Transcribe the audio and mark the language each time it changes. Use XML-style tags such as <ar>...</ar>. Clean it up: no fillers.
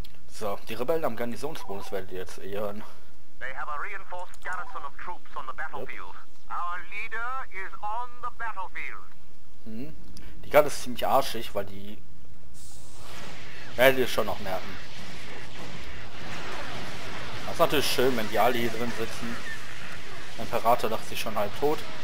<de>So, die Rebellen am Garnisonsbonus werdet ihr jetzt hören.</de> <en>They have a reinforced garrison of troops on the battlefield. Yep. Our leader is on the battlefield.</en> <de>Die Garde ist ziemlich arschig, weil die... werdet ihr schon noch merken. Das ist natürlich schön, wenn die alle hier drin sitzen. Der Imperator dachte sich schon halb tot.</de>